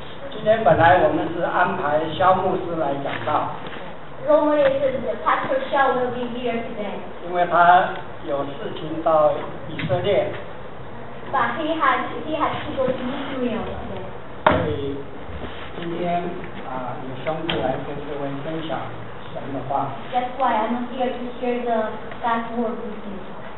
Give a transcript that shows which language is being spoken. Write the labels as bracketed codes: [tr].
[zh] 今天本来我们是安排萧牧师来讲道。 [en] Normally, Pastor Shaw will be here today. [zh] 因为他有事情到以色列。 [en] But he has to go to Israel today. [zh] 所以今天有兄弟来跟各位分享神的话。 [en] That's why I'm here to share the God's word with you.